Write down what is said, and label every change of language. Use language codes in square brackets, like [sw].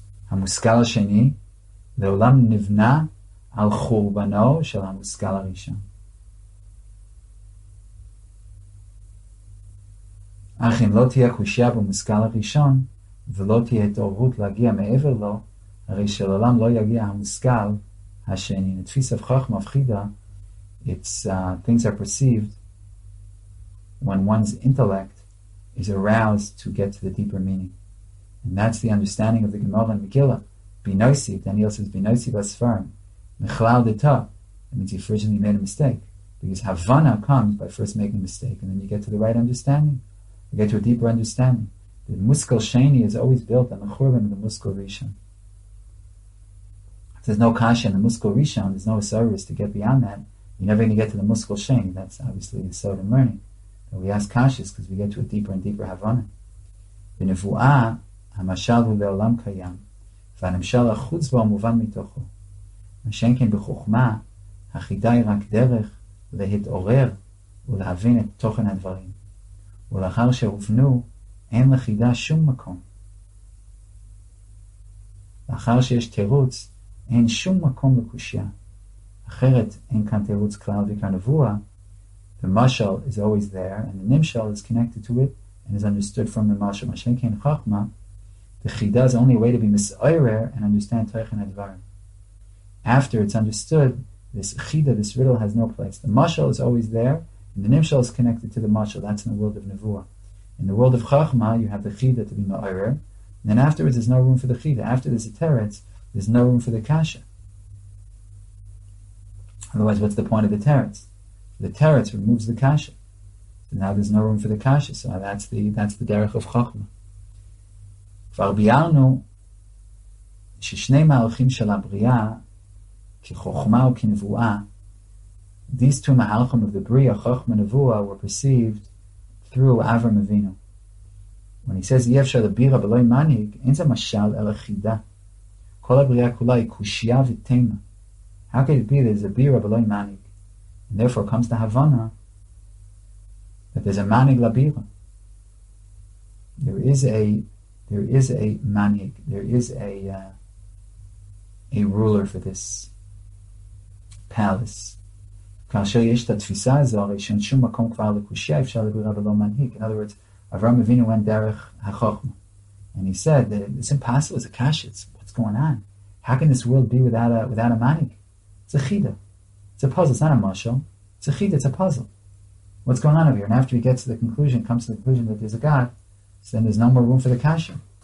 [he] המושכל השני לעולם נבנה על חורבנו של המושכל הראשון. אך אם לא תהיה קושיה במושכל הראשון, ולא תהיה התעוררות להגיע מעבר לו, הרי שלעולם לא יגיע המושכל השני. נתפיס הפכוח מפחידה, [en] things are perceived when one's intellect is aroused to get to the deeper meaning. And that's the understanding of the Gemara and Megillah. Binoisi, Daniel says, Binoisi basfarim. Mechlal deta. It means you originally made a mistake. Because Havana comes by first making a mistake. And then you get to the right understanding. You get to a deeper understanding. The Muskel Sheni is always built on the Churban of the Muskel Rishon. If there's no Kasha in the Muskel Rishon, there's no service to get beyond that. You're never going to get to the Muskel Sheni. That's obviously the sort of learning. But we ask Kashas because we get to a deeper and deeper Havana. [he] The Nevuah, המשל הוא לעולם קיים, והנמשל החוץ בו מובן מתוכו. מה שאין כן בחוכמה, החידה היא רק דרך להתעורר ולהבין את תוכן הדברים. ולאחר שהובנו, אין לחידה שום מקום. לאחר שיש תירוץ, אין שום מקום לקושיה. אחרת, אין כאן תירוץ כלל וכנבואה. [en] The mashal is always there, and the nimshal is connected to it, and is understood from the mashal. [he] מה שאין כן חוכמה, [en] the chida is only a way to be misoirer and understand teichen advar. After it's understood, this chida, this riddle, has no place. The mashal is always there, and the nimshal is connected to the mashal. That's in the world of nevuah. In the world of chachma, you have the chida to be misoirer, and then afterwards there's no room for the chida. After there's a teretz, there's no room for the kasha. Otherwise, what's the point of the teretz? The teretz removes the kasha. So now there's no room for the kasha. So that's the derech of chachma. [he] כבר ביארנו ששני מהלכים של הבריאה כחוכמה או כנבואה, [en] these two מהלכים of the בריאה, חוכמה נבואה, were perceived through [he] אברהם אבינו. [en] When he says, [he] אי אפשר לבירה בלוי מנהיג, אין זה משל אלא חידה. כל הבריאה כולה היא קושייה ותמה. [en] How could it be that there's a [he] בירה בלוי מנהיג? [en] And therefore comes the Havana that there's a [he] מנהיג לבירה. [en] There is a manik, there is a ruler for this palace. [he] כאשר יש את התפיסה הזו, הרי שאין שום מקום כבר לקושיה, אפשר לבירה ולא מנהיג. [en] In other words, אברהם אבינו went [he] דרך החוכמה. [en] And he said that it's impossible, it's a kasha, what's going on? How can this world be without a manik? It's a chida. It's a puzzle, it's not a mashal. It's a chida, it's a puzzle. What's going on over here? And after he gets to the conclusion, comes to the conclusion that there's a God, so then there's no more room for the kasha.